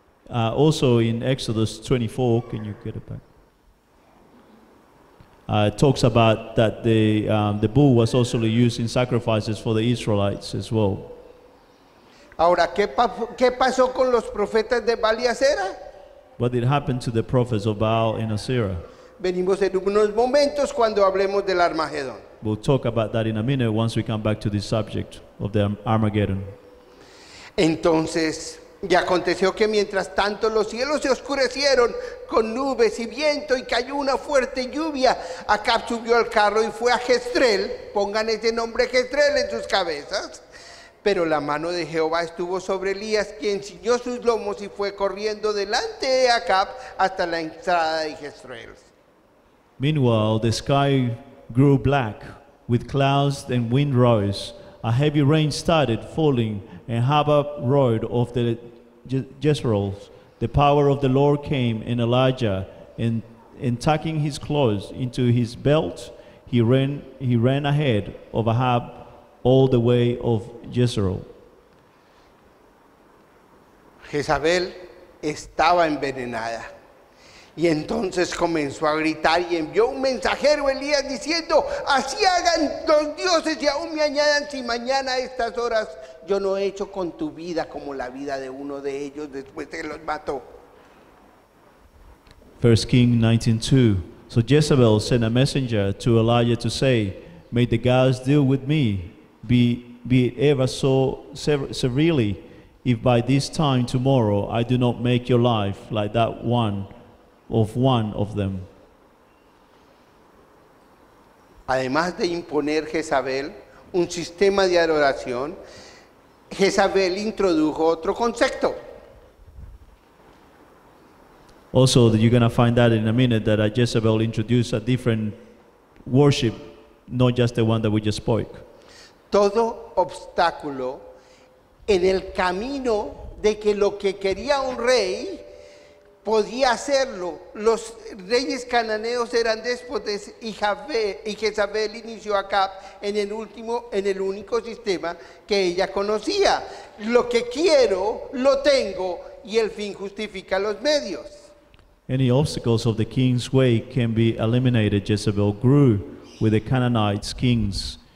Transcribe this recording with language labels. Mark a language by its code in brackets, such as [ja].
[en] Also in Exodus 24, can you get it back? It talks about that the bull was also used in sacrifices for the Israelites as well. [es] Ahora, ¿qué pasó con los profetas de Baal y Acera? [en] What did happen to the prophets of Baal and Asherah? [es] Venimos en unos momentos cuando hablemos del Armagedón. [en] We'll talk about that in a minute once we come back to this subject of the Armageddon. [es] Entonces, y aconteció que mientras tanto los cielos se oscurecieron con nubes y viento y cayó una fuerte lluvia. Acab subió al carro y fue a Jezreel. Pongan ese nombre Jezreel en sus cabezas. Pero la mano de Jehová estuvo sobre Elías, quien ciñó sus lomos y fue corriendo delante de Acab hasta la entrada de Jezreel. [en] Meanwhile, the sky grew black with clouds and wind rose. A heavy rain started falling, and Habab rode off the Jezreel. The power of the Lord came in Elijah, and tucking his clothes into his belt, he ran ahead of Ahab all the way of Jezreel. [es] Jezabel estaba envenenada. Y entonces comenzó a gritar y envió un mensajero a Elías diciendo: así hagan los dioses y aún me añadan si mañana a estas horas yo no he hecho con tu vida como la vida de uno de ellos después que los mató. [en] 1 Kings 19:2. So Jezebel sent a messenger to Elijah to say, may the gods deal with me, be it ever so severely, if by this time tomorrow I do not make your life like that one of them. [es] Además de imponer Jezabel un sistema de adoración, Jezabel introdujo otro concepto. [en] Also, you're going to find that in a minute, that Jezebel introduced a different worship, not just the one that we just spoke. [es] Todo obstáculo en el camino de que lo que quería un rey podía hacerlo. Los reyes cananeos eran déspotes y Jezabel inició a Acab en el único sistema que ella conocía. Lo que quiero, lo tengo, y el fin justifica los medios. [en] Any obstacles of the king's way can be eliminated. Jezebel grew with the Canaanites' kings.